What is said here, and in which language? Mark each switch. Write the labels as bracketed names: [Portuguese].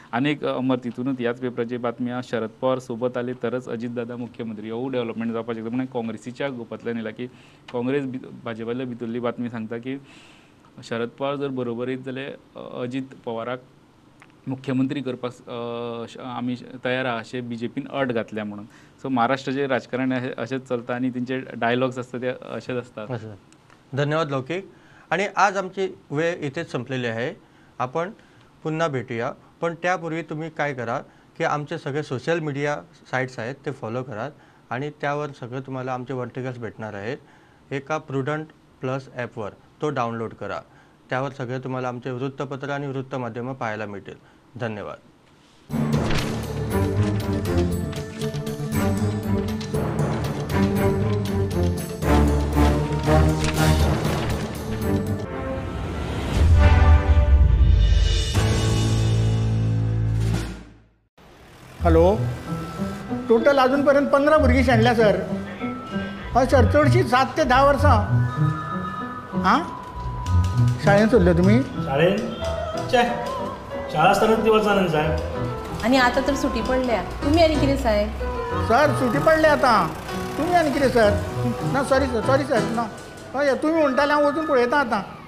[Goan Konkani] आनी एक अमर तितूनच ह्याच पेपराची बातमी आहा [Marathi] शरद पवार सोबत आले तरच अजितदादा मुख्यमंत्री होऊ [Goan Konkani] डेव्हलपमेंट जावपाक शकता म्हणून काँग्रेसीच्या गोपांतल्यान येयला की काँग्रेस भाजपाल्या भितरली बातमी सांगता की शरद पवार जर बरोबर येत जाल्यार अजित पवाराक मुख्यमंत्री करपाक आमी तयार आहा अशें BJP अट घातल्या म्हणून. सो महाराष्ट्राचे राजकारण अशेंच चलता आनी तेंचे डायलॉग्स आसता ते अशेंच आसतात. धन्यवाद लौकीक. [Marathi] आणि आज आमची वेळ इथेच संपलेली आहे. आपण पुन्हा भेटूया पण त्यापूर्वी तुम्ही काय करा की आमचे सगळे सोशल मीडिया साईट्स आहेत ते फॉलो करा आणि त्यावर सगळं तुम्हाला आमचे वर्टिकल्स भेटणार आहेत. एका प्रुडंट प्लस ॲपवर तो डाउनलोड करा त्यावर सगळे तुम्हाला आमचे वृत्तपत्र आणि वृत्तमाध्यमं पाहायला मिळतील. धन्यवाद. [Goan Konkani] हॅलो, टोटल अजूनपर्यंत 15 भुरगीं शेणल्या सर. हय सर, चडशीं 7 ते 10 वर्सां. आं, शाळेंत सोडल्यो तुमी? शाळेन चे शाळा आसतना ती वचना सर. आनी आतां तर सुटी पडल्या, तुमी आनी कितें सांग? सर सुटी पडल्या आतां, तुमी आनी कितें सर? ना सॉरी सर, सॉरी सर, ना हय तुमी म्हणटाले हांव वचून पळयतां आतां.